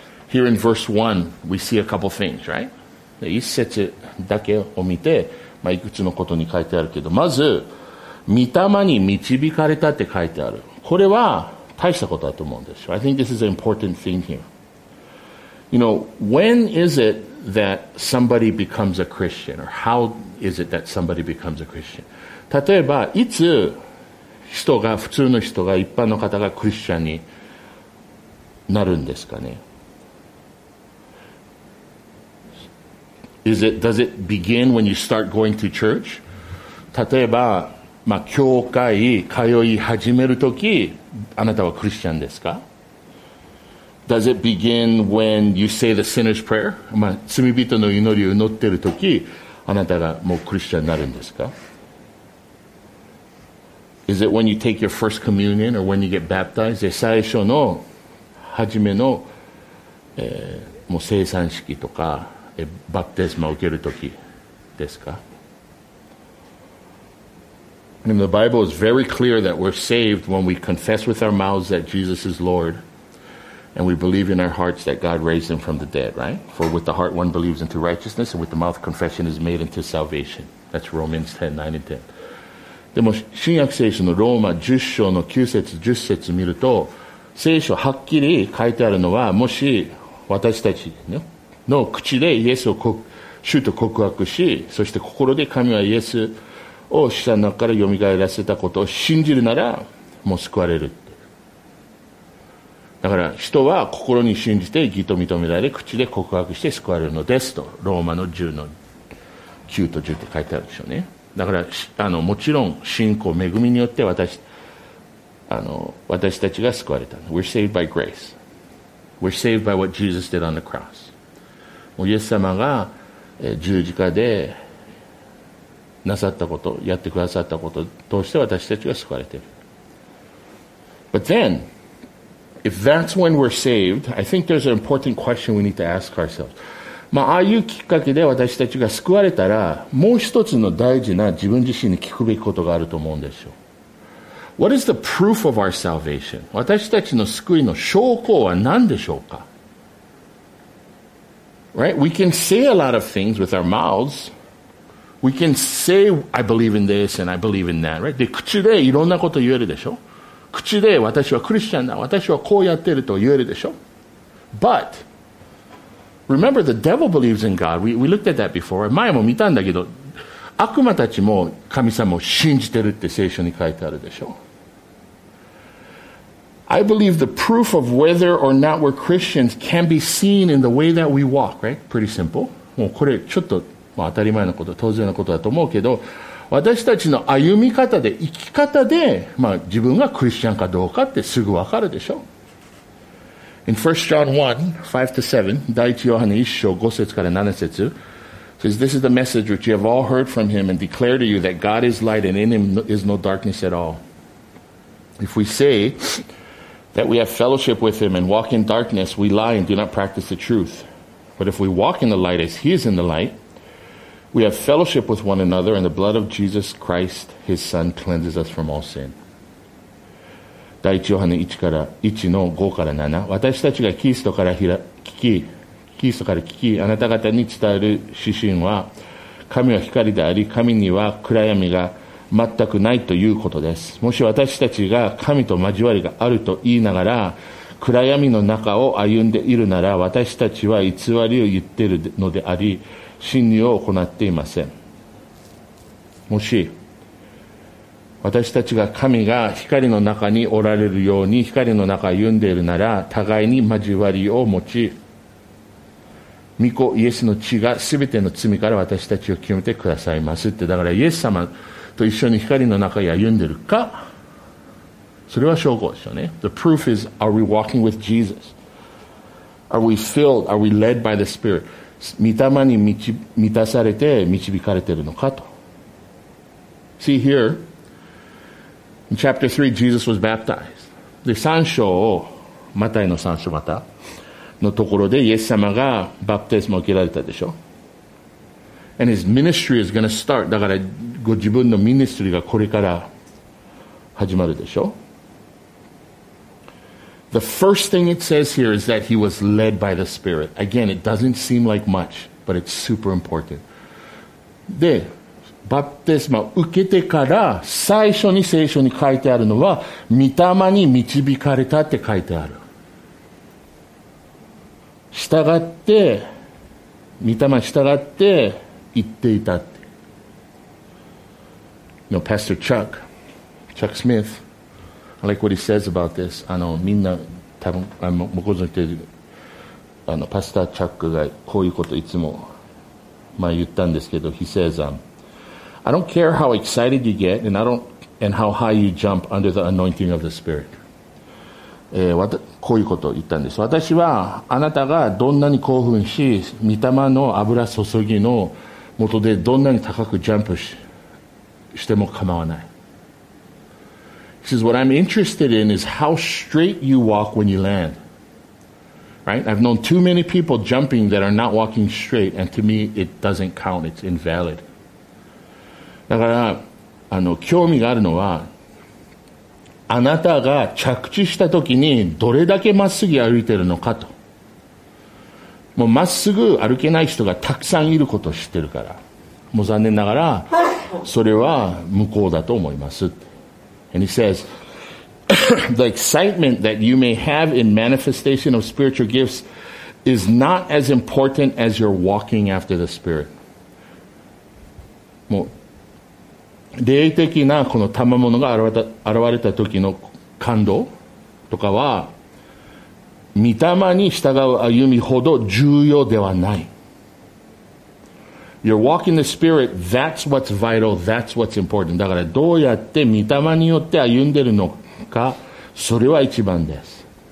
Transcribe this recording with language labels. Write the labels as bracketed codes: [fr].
[en] Here in verse 1, we see a couple things, right? [ja] 一節だけを見て、まあ、いくつのことに書いてあるけど、まず御霊に導かれたって書いてある。これは大したことだと思うんですよ。 [en] I think this is an important thing here. You know, when is it that somebody becomes a Christian? Or how is it that somebody becomes a Christian? [ja] 例えばいつ人が、普通の人が、一般の方がクリスチャンになるんですかね。 [en] Does it begin when you start going to church? [ja] 例えば、まあ、教会通い始めるとき、あなたはクリスチャンですか? [en] Does it begin when you say the sinner's prayer? [ja] まあ、罪人の祈りを祈ってるとき、あなたがもうクリスチャンになるんですか? [en] Is it when you take your first communion or when you get baptized? [ja] 最初の、初めの、もう聖餐式とか、バプテスマを受けるときですか? [en] And the Bible is very clear that we're saved when we confess with our mouths that Jesus is Lord and we believe in our hearts that God raised him from the dead, right? For with the heart one believes into righteousness and with the mouth confession is made into salvation. That's Romans 10, 9 and 10. [ja] でも新約聖書のローマ10章の9節10節を見ると聖書はっきり書いてあるのはもし私たちねの口でイエスを主と告白し、そして心で神はイエスを死者の中から蘇らせたことを信じるなら、もう救われるって。だから人は心に信じて義と認められ、口で告白して救われるのですと、ローマの10の9と10って書いてあるでしょうね。だから、もちろん信仰、恵みによって私たちが救われた。 [en] We're saved by grace. We're saved by what Jesus did on the cross. [ja] イエス様が十字架でなさったこと、やってくださったこと、どうして私たちが救われている。 [en] But then, if that's when we're saved, I think there's an important question we need to ask ourselves. [ja] まあ、ああいうきっかけで私たちが救われたら、もう一つの大事な自分自身に聞くべきことがあると思うんですよ。 [en] What is the proof of our salvation? [ja] 私たちの救いの証拠は何でしょうか? [en] Right? We can say a lot of things with our mouths. We can say, I believe in this and I believe in that. Right? [ja] で、口でいろんなこと言えるでしょ?口で私はクリスチャンだ、私はこうやってると言えるでしょ? [en] But, remember the devil believes in God. We looked at that before. [ja] 前も見たんだけど、悪魔たちも神様を信じてるって聖書に書いてあるでしょ。 [en] I believe the proof of whether or not we're Christians can be seen in the way that we walk, right? Pretty simple. [ja] もうこれちょっと、まあ、当たり前のこと、当然のことだと思うけど、私たちの歩み方で、生き方で、まあ、自分がクリスチャンかどうかってすぐ分かるでしょ。 [en] In 1 John 1:5-7, [ja] 第一ヨハネ1章5節から7節、 [en] says, this is the message which you have all heard from him and declare to you that God is light and in him is no darkness at all. If we say that we have fellowship with him and walk in darkness, we lie and do not practice the truth. But if we walk in the light as he is in the light, we have fellowship with one another and the blood of Jesus Christ, his son, cleanses us from all sin. [ja] 第一ヨハネ1から1の5から7、私たちがキリストから聞き、キリストから聞き、あなた方に伝える指針は、神は光であり、神には暗闇が全くないということです。もし私たちが神と交わりがあると言いながら、暗闇の中を歩んでいるなら、私たちは偽りを言っているのであり、真理を行っていません。もし、私たちが神が光の中におられるように、光の中歩んでいるなら、互いに交わりを持ち、御子イエスの血が全ての罪から私たちを清めてくださいますって。だからイエス様と一緒に光の中に歩んでるか、それは証拠ですよね。 [en] The proof is, are we walking with Jesus? Are we filled? Are we led by the Spirit? [ja] 御霊に満たされて導かれてるのかと。 [en] See here in chapter 3 Jesus was baptized. [ja] で、三章をマタイの三章またのところでイエス様がバプテスマを受けられたでしょ。 [en] And his ministry is going to start. [ja] だからご自分のミニストリーがこれから始まるでしょ。 [en] The first thing it says here is that he was led by the Spirit. Again, it doesn't seem like much, but it's super important. [ja] で、バプテスマを受けてから最初に聖書に書いてあるのは、御霊に導かれたって書いてある。従って、御霊従って言っていたって。 [en] No, Pastor Chuck Smith, I like what he says about this. [ja] あの、みんな、たぶん、ご存知で、あの、パスター・チャックがこういうこといつも、まあ言ったんですけど、 [en] he says, I don't care how excited you get and how high you jump under the anointing of the Spirit. [ja] こういうことを言ったんです。私はあなたがどんなに興奮し、御霊の油注ぎの元でどんなに高くジャンプ しても構わない。 [en] He says, what I'm interested in is how straight you walk when you land. Right? I've known too many people jumping that are not walking straight, and to me it doesn't count, it's invalid. [ja] だから、あの、興味があるのは、あなたが着地したときにどれだけまっすぐ歩いてるのかと。もうまっすぐ歩けない人がたくさんいることを知ってるから、もう残念ながらそれは無効だと思います。 [en] And he says, the excitement that you may have in manifestation of spiritual gifts is not as important as your walking after the Spirit. [ja] もう霊的なこの賜物が現れた時の感動とかは、御霊に従う歩みほど重要ではない。 [en] Your walk in the Spirit, that's what's vital, that's what's important. [ja] だからどうやって御霊によって歩んでるのか、それは一番です。